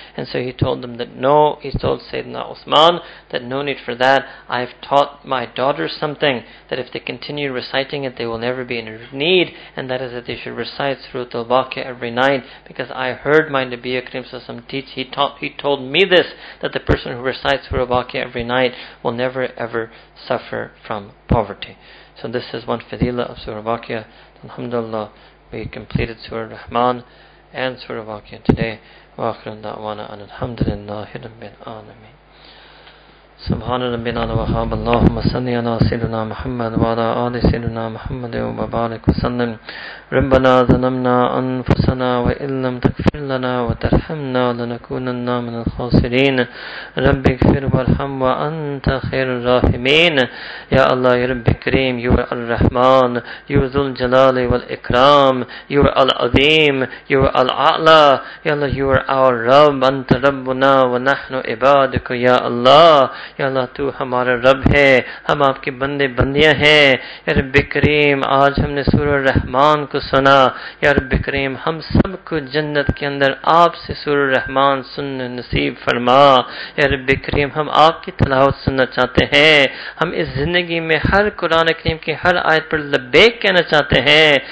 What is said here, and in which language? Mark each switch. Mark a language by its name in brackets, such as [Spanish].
[English] And so he told them that no. He told Sayyidina Uthman that no need for that, I've taught my daughters something, that if they continue reciting it, they will never be in need, and that is that they should recite through Al-Waqi'ah every night, because I heard my Nabi Akram Sassam teach, he told me this, that the person who recites through Al-Waqi'ah every night will never ever suffer from poverty. So this is one fadila of Surah Al-Waqi'ah. Alhamdulillah, we completed Surah Rahman and Surah Al-Waqi'ah today. [Arabic] Wa akhirun da'wana an alhamdulillahi rabbil alameen. سبحان ربنا وبحمده اللهم صل على سيدنا محمد وعلى آل سيدنا محمد وبارك وسلم. ربنا ظلمنا أنفسنا وإن لم تغفر لنا وترحمنا لنكونن من الخاسرين. رب اغفر وارحم وأنت خير الراحمين. يا الله يا رب كريم, [English] you [Arabic] الرحمن, يو ذو الجلال والإكرام, يو العظيم, يو الأعلى. يا الله, [English] you our [Arabic] رب, أنت ربنا ونحن عبادك. يا الله, [Urdu] یا اللہ تو ہمارا رب ہے, ہم آپ کے بندے بندیاں ہیں. یا رب کریم, آج ہم نے سورہ رحمان کو سنا. یا رب کریم, ہم سب کو جنت کے اندر آپ سے سورہ رحمان سن نصیب فرما. یا رب کریم, ہم آپ کی تلاوت سننا چاہتے ہیں. ہم اس زندگی میں ہر قرآن کریم کی ہر آیت پر لبیک کہنا چاہتے ہیں.